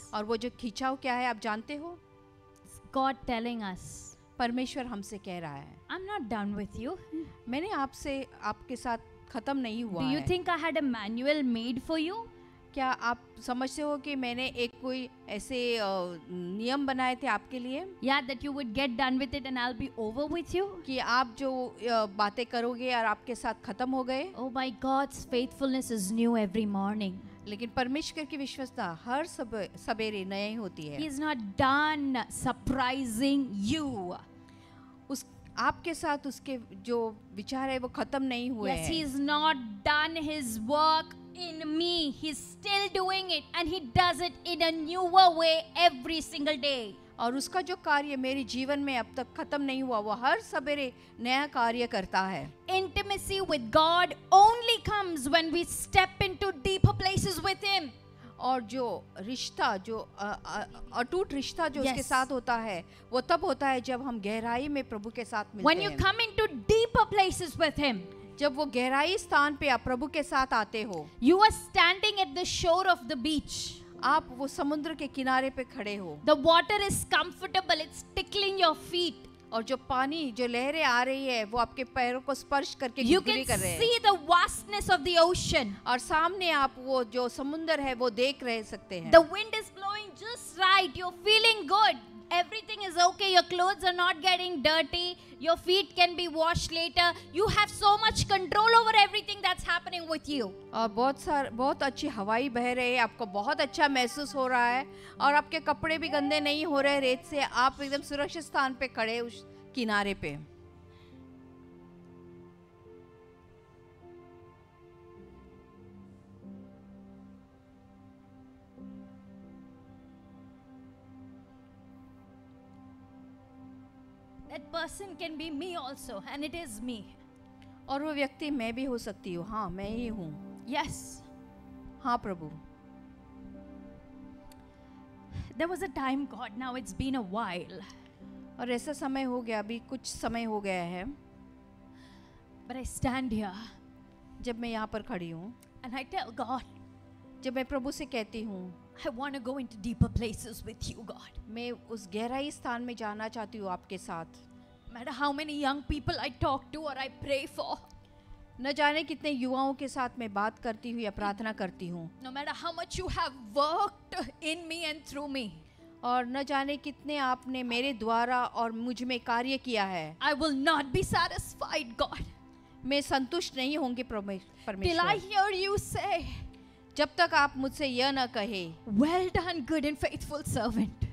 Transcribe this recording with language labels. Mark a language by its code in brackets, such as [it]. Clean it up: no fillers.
[hi] और वो जो खिंचाव क्या है आप जानते हो? [en] God telling us. [hi] परमेश्वर हमसे कह रहा है. [en] I'm not done with you. [hi] मैंने आपसे आपके साथ खत्म नहीं हुआ. [en] Do you think I had a manual made for you? [hi] क्या आप समझते हो कि मैंने एक कोई ऐसे नियम बनाए थे आपके लिए? [en] Yeah, that you would get done with it and I'll be over with you. [hi] कि आप जो बातें करोगे और आपके साथ खत्म हो गए. [en] Oh my God's faithfulness is new every morning. [hi] लेकिन परमेश्वर की विश्वस्तता हर सबेरे नए होती है. [en] He is not done surprising you. [hi] उस आपके साथ उसके जो विचार है वो खत्म नहीं हुए हैं. [en] Yes, he is not done his work in me. He is still doing it and he does it in a newer way every single day. [hi] और उसका जो कार्य मेरे जीवन में अब तक खत्म नहीं हुआ वो हर सवेरे नया कार्य करता है. [en] Intimacy with God only comes when we step into deeper places with him. [hi] और जो रिश्ता जो अटूट रिश्ता जो उसके साथ होता है वो तब होता है जब हम गहराई में प्रभु के साथ मिलते हैं. [en] When you come into deeper places with him. [hi] जब वो गहराई स्थान पे आप प्रभु के साथ आते हो. [en] You are standing at the shore of the beach. [hi] आप वो समुद्र के किनारे पे खड़े हो. [en] The water is comfortable, it's tickling your feet. [hi] और जो पानी जो लहरें आ रही है वो आपके पैरों को स्पर्श करके गुनगुनी कर रहे हैं. [en] You can see the vastness of the ocean. [hi] और सामने आप वो जो समुद्र है वो देख रह सकते हैं. [en] The wind is blowing just right, you're feeling good. Everything is okay, your clothes are not getting dirty, your feet can be washed later, you have so much control over everything that's happening with you. [hi] और बहुत अच्छी हवाई बह रही है, आपको बहुत अच्छा महसूस हो रहा है और आपके कपड़े भी गंदे नहीं हो रहे रेत से. आप एकदम सुरक्षित स्थान पे खड़े उस किनारे पे. [en] That person can be me also, and it is me. [hi] और वो व्यक्ति मैं भी हो सकती हूँ. हाँ, मैं ही हूँ. [en] Yes. [hi] हाँ, प्रभु. [en] There was a time, God. Now it's been a while. [hi] और ऐसा समय हो गया. अभी कुछ समय हो गया है. [en] But I stand here. [hi] जब मैं यहाँ पर खड़ी हूँ. [en] And I tell God. [hi] जब मैं प्रभु से कहती हूँ. [en] I want to go into deeper places with you, God. [hi] मैं उस गहराई स्थान में जाना चाहती हूँ आपके साथ. [en] Matter how many young people I talk to or I pray for. [hi] न जाने कितने युवाओं के साथ मैं बात करती हूँ या प्रार्थना करती हूँ. [en] No matter how much you have worked in me and through me. [hi] और न जाने कितने आपने मेरे द्वारा और मुझ में कार्य किया है. [en] I will not be satisfied, God. [hi] मैं संतुष्ट नहीं होंगी परमेश्वर. [en] Till I hear you say. [hi] जब तक आप मुझसे यह न कहे. [en] Well done, good and faithful servant.